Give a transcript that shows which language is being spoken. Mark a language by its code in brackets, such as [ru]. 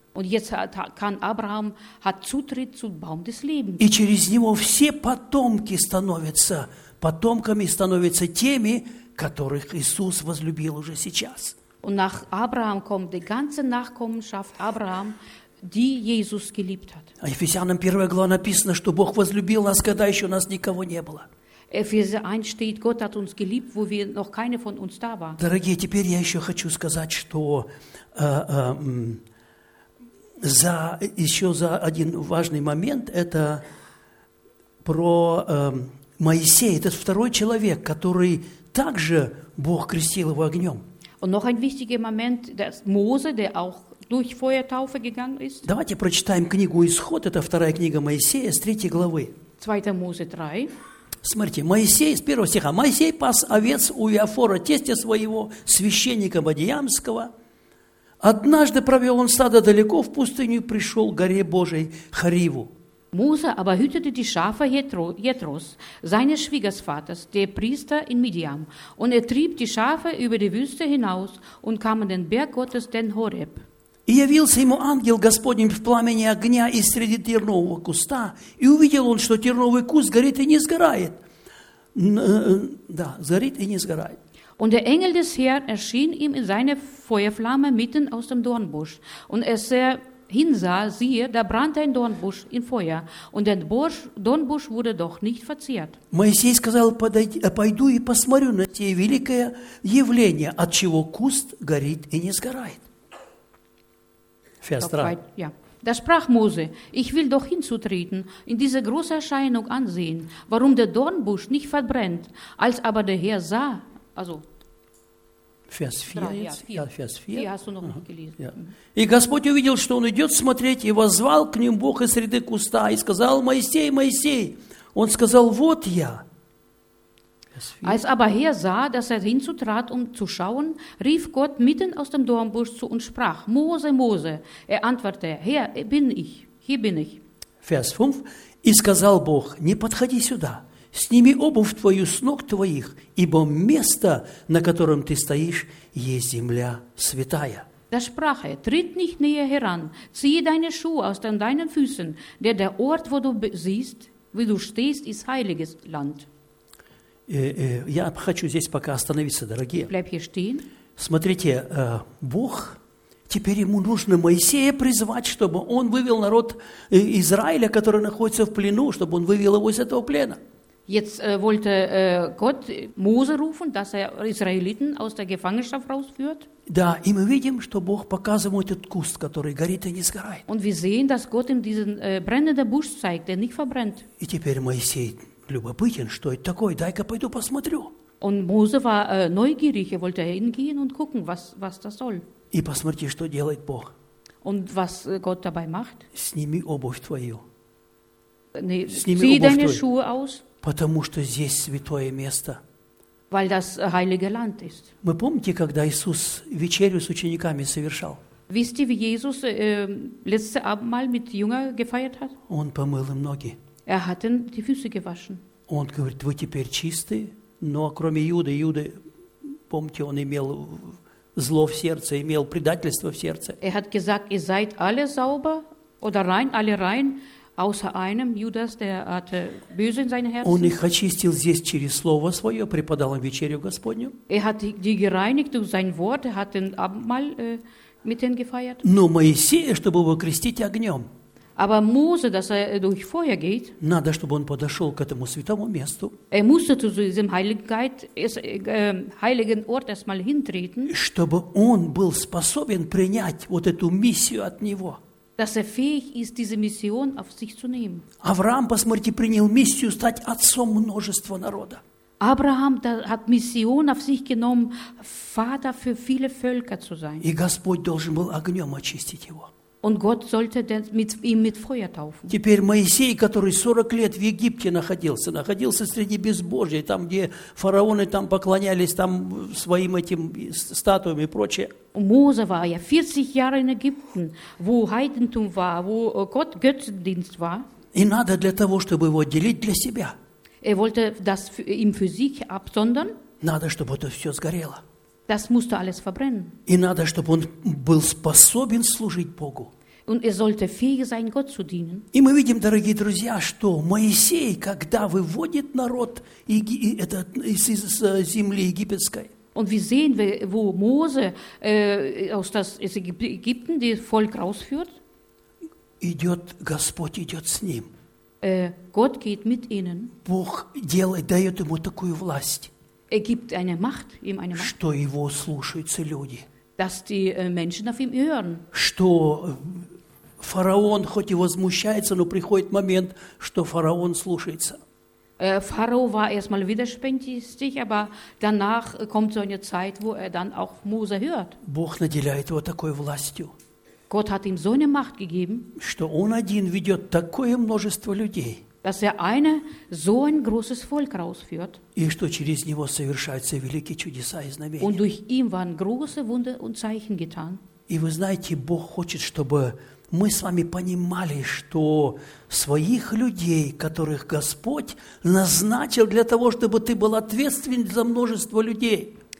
[de] Und jetzt kann Abraham hat Zutritt zum Baum des Lebens. [ru] И через него все потомки становятся потомками, становятся теми, которых Иисус возлюбил уже сейчас. [de] Und nach Abraham kommt die ganze Nachkommenschaft Abraham. Die Jesus geliebt hat. [en] Ephesians 1. [ru] глава написано, что Бог возлюбил нас, когда еще нас никого не было. [de] Epheser 1 steht, Gott hat uns geliebt, wo wir noch keine von uns da waren. [ru] Дорогие, теперь я еще хочу сказать, что за еще за один важный момент это про Моисея, это второй человек, который также Бог крестил его огнем. [de] Und noch ein wichtiger Moment, dass Mose, der auch durch Feuertaufe gegangen ist. [ru] Давайте прочитаем книгу Исход, это вторая книга Моисея, с 3 главы. [de] 2. Mose 3. [ru] Смотрите, Моисей, с первого стиха, Моисей пас овец у Иофора, тестя своего, священника Мадиамского. Однажды провел он стадо далеко в пустыню и пришел к горе Божией, Хариву. [de] Муса aber hütete die Schafe Jethros, seines Schwiegersvaters, der Priester in Midian, und trieb die Schafe über die Wüste hinaus und kam an den Berg Gottes, den Horeb. [ru] И явился ему ангел Господень в пламени огня и среди тернового куста, и увидел он, что терновый куст горит и не сгорает. Да, сгорит и не сгорает. [de] Und der Engel des Herrn erschien ihm in seiner Feuerflamme mitten aus dem Dornbusch. Und als er hinsah, siehe, da brannte ein Dornbusch in Feuer. Und der Dornbusch wurde doch nicht verzehrt. [ru] Моисей сказал, пойду и посмотрю на те великое явление, от чего куст горит и не сгорает. [de] Ja. Da sprach Mose, ich will doch hinzutreten, in diese große Erscheinung ansehen, warum der Dornbusch nicht verbrennt. Als aber der Herr sah, also Vers 4, drei, jetzt, ja, 4. Ja, Vers 4. 4 hast du noch nicht gelesen. Ja. [ru] И Господь увидел, что он идет смотреть, и воззвал к ним Бог из среды куста, и сказал, Моисей, Моисей. Он сказал, вот я. [de] Als aber Herr sah, dass er hinzutrat, um zu schauen, rief Gott mitten aus dem Dornbusch zu und sprach, Mose, Mose. Er antwortete, Herr, bin ich, hier bin ich. Vers 5. [ru] И сказал Бог, не подходи сюда, сними обувь твою с ног твоих, ибо место, на котором ты стоишь, есть земля святая. [de] Da sprach er, tritt nicht näher heran, ziehe deine Schuhe aus deinen Füßen, denn der Ort, wo du siehst, wie du stehst, ist heiliges Land. [ru] Я хочу здесь пока остановиться, дорогие. Смотрите, Бог, теперь ему нужно Моисея призвать, чтобы он вывел народ Израиля, который находится в плену, чтобы он вывел его из этого плена. [de] Jetzt wollte Gott Mose rufen, dass Israeliten aus der Gefangenschaft rausführt. [ru] Да, и мы видим, что Бог показывает этот куст, который горит и не сгорает. [de] Und wir sehen, dass Gott ihm diesen brennenden Busch zeigt, der nicht verbrennt. [ru] И теперь Моисей любопытен, что это такое, дай-ка пойду посмотрю. [de] Und Mose war neugierig, er wollte hingehen und gucken, was das soll. [ru] И посмотрите, что делает Бог. [de] Und was Gott dabei macht. [ru] Сними обувь твою. [de] Zieh deine Schuhe aus. [ru] Потому что здесь святое место. [de] Weil das heilige Land ist. [ru] Вы помните, когда Иисус вечерю с учениками совершал? [de] Wisst ihr, wie Jesus letzte Abendmahl mit Jüngern gefeiert hat? [ru] Он помыл им ноги. [de] Er hat ihnen die Füße gewaschen. [ru] Он говорит, вы теперь чисты, но кроме Иуды, Иуды, помните, он имел зло в сердце, имел предательство в сердце. [de] Er hat gesagt, ihr seid alle sauber oder rein, alle rein. Außer einem Judas, der hatte böse in seinem Herzen. [ru] Он их очистил здесь через слово свое, преподал им вечерю Господню. [de] Er hat die gereinigt durch sein Wort, er hat den Abendmahl mit ihnen gefeiert. [ru] Но Моисея, чтобы его крестить огнем. [de] Aber Mose, dass er durch Feuer geht. [ru] Надо, чтобы он подошел к этому святому месту. [de] Er musste zu diesem heiligen Ort erstmal hintreten. [ru] Чтобы он был способен принять вот эту миссию от него. [de] Dass er fähig ist, diese Mission auf sich zu nehmen. [ru] Авраам, посмотрите, принял миссию стать отцом множества народа. [de] Abraham hat Mission auf sich genommen, Vater für viele Völker zu sein. [ru] И Господь должен был огнем очистить его. [de] Und Gott sollte ihn mit Feuer taufen. [ru] Теперь Моисей, который 40 лет в Египте находился среди безбожия, там, где фараоны там поклонялись там своим этим статуям и прочее. [de] Mose war ja 40 Jahre in Ägypten, wo Heidentum war, wo Gott Götzendienst war. [ru] И надо для того, чтобы его отделить для себя. [de] Er wollte das ihm für sich absondern. [ru] Надо, чтобы это все сгорело. [de] Das musste alles verbrennen. [ru] И надо, чтобы он был способен служить Богу. [de] Und er sollte fähig sein, Gott zu dienen. [ru] И мы видим, дорогие друзья, что Моисей, когда выводит народ из земли египетской, [de] Und wir sehen, wo Mose aus das Ägypten das Volk rausführt. [ru] Идет, Господь идет с ним. [de] Gott geht mit ihnen. [ru] Бог дает ему такую власть. [de] Er gibt eine Macht, ihm eine Macht. [ru] Что его слушаются люди. [de] Dass die Menschen auf ihn hören. [ru] Что фараон, хоть и возмущается, но приходит момент, что фараон слушается. [de] Pharao war erstmal widerspenstig, aber danach kommt so eine Zeit, wo er dann auch Mose hört. [ru] Бог наделяет его такой властью. [de] Gott hat ihm so eine Macht gegeben. [ru] Что он один ведет такое множество людей. [de] dass er eine, so ein großes Volk rausführt. [ru] И что через него совершаются великие чудеса и знамения. [de] Und durch ihn waren große Wunder und Zeichen getan. [ru] И вы знаете, Бог хочет, чтобы мы с вами понимали, что своих людей, которых Господь назначил для того, чтобы ты был ответственен за множество людей.